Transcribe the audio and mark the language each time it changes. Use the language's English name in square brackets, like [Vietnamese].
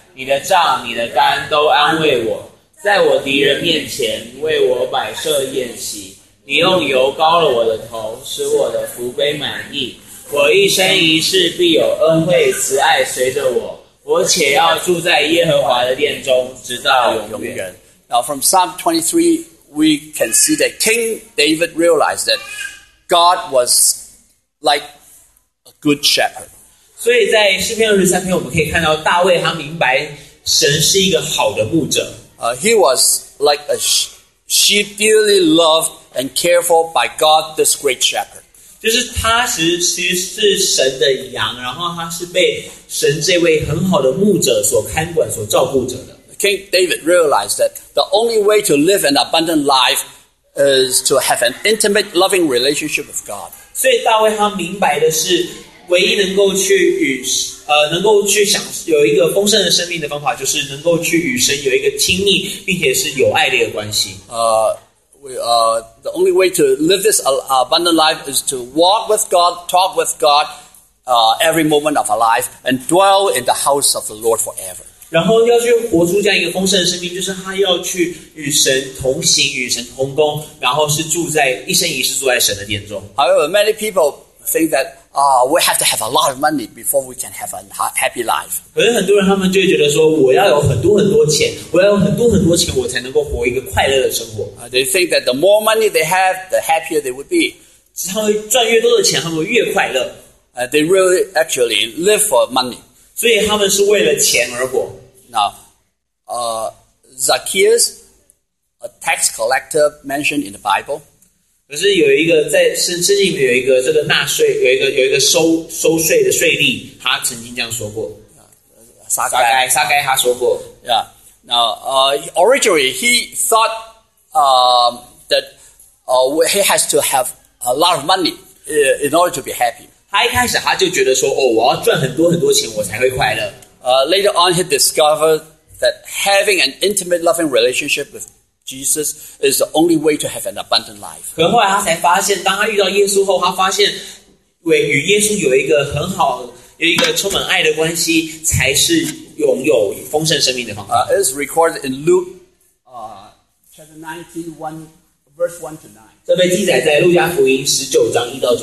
[Chinese] 你的杖、你的竿都安慰我，在我敌人面前为我摆设宴席。你用油膏了我的头，使我的福杯满溢。我一生一世必有恩惠慈爱随着我，我且要住在耶和华的殿中，直到永远。 [English] Now, from Psalm 23, we can see that King David realized that God was like a good shepherd. [Chinese] 所以在诗篇二十三篇，我们可以看到大卫他明白神是一个好的牧者。 [English] He was like a sheep dearly loved and cared for by God, this great shepherd. [Chinese] 就是他其实是神的羊，然后他是被神这位很好的牧者所看管、所照顾着的。 [English] King David realized that the only way to live an abundant life is to have an intimate, loving relationship with God. [Chinese] 所以大卫他明白的是，唯一能够去与能够去享有一个丰盛的生命的方法，就是能够去与神有一个亲密并且是有爱的一个关系。 [English] The only way to live this abundant life is to walk with God, talk with God, every moment of our life, and dwell in the house of the Lord forever. [Chinese] 然后要去活出这样一个丰盛的生命，就是他要去与神同行，与神同工，然后是住在一生一世住在神的殿中。 [English] However, many people think that we have to have a lot of money before we can have a happy life. [Chinese] 可是很多人他们就会觉得说，我要有很多很多钱，我要有很多很多钱，我才能够活一个快乐的生活。 [English] They think that the more money they have, the happier they would be. [Chinese] 他们赚越多的钱，他们越快乐。 [English] They really actually live for money. [Chinese] 所以他们是为了钱而活。 [English] Now, Zacchaeus, a tax collector mentioned in the Bible. [Chinese] 可是有一个在圣经里面有一个这个纳税有一个收税的税吏，他曾经这样说过。撒该他说过。 [English] Yeah. Now, originally he thought, that, he has to have a lot of money in order to be happy. [Chinese] 他一开始他就觉得说，哦，我要赚很多很多钱，我才会快乐。 [English] Later on, he discovered that having an intimate, loving relationship with Jesus is the only way to have an abundant life. [Chinese] 可后来他才发现，当他遇到耶稣后，他发现与耶稣有一个很好、有一个充满爱的关系，才是拥有丰盛生命的方法。 [English] It's recorded in Luke, chapter 19:1-9. [Chinese] 这被记载在路加福音19:1-9.